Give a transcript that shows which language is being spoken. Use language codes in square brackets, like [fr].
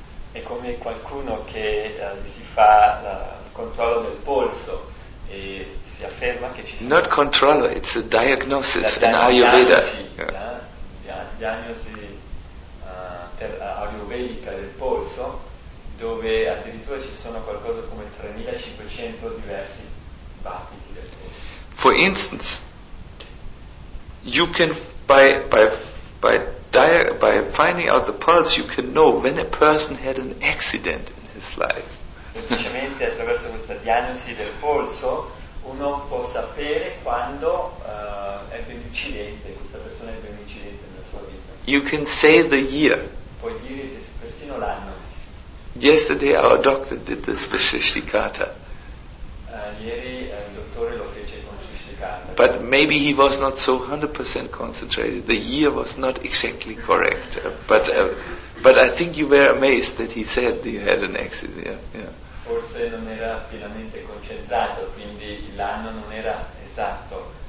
[it] È come qualcuno che si fa il controllo del polso e si afferma che ci sono. [en] Not controllo, it's a diagnosis in Ayurveda. [it] Diagnosi ayurvedica del polso, dove addirittura ci sono qualcosa come 3500 diversi battiti del polso. [en] For instance, you can by finding out the pulse, you can know when a person had an accident in his life. [it] Semplicemente attraverso questa diagnosi del polso uno può sapere quando ebbe un incidente, questa persona ebbe un incidente nella sua vita. [en] You can say the year. [it] Puoi dire persino l'anno. [en] Yesterday our doctor did this with Shishtikata. [it] Ieri il dottore lo fece con Shishtikata. [en] But maybe he was not so 100% concentrated. The year was not exactly correct. But I think you were amazed that he said that you had an accident. [it] Forse non era pienamente concentrato, quindi l'anno non era esatto.